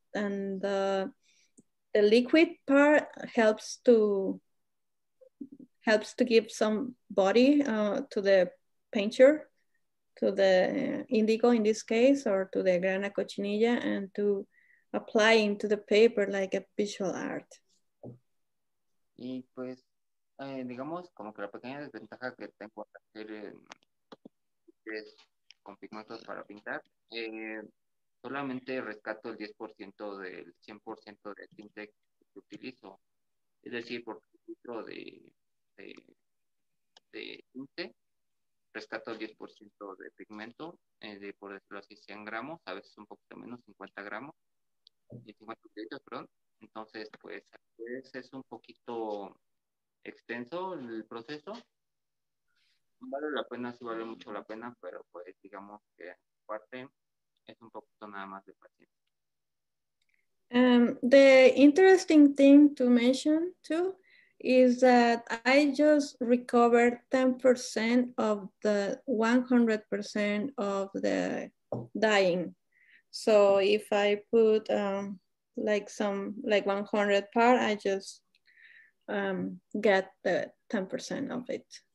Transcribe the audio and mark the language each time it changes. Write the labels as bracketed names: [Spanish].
[English] And the liquid part helps to give some body to the painter, to the indigo in this case, or to the grana cochinilla, and to apply into the paper like a visual art. [Spanish] Y pues, digamos, como que la pequeña desventaja que tengo a hacer es con pigmentos para pintar, solamente rescato el 10% del 100% de tinte que utilizo. Es decir, por filtro de tinte, rescato el 10% de pigmento, de por decirlo así, 100 gramos, a veces un poquito menos, 50 gramos, 50 litros, perdón. Entonces, pues, a veces es un poquito extenso el proceso. Vale la pena, sí vale mucho la pena, pero pues, digamos que parte es un poquito nada más de paciencia. [English] The interesting thing to mention, too, is that I just recovered 10% of the 100% of the dyeing. So if I put like 100 part, I just get the 10% of it.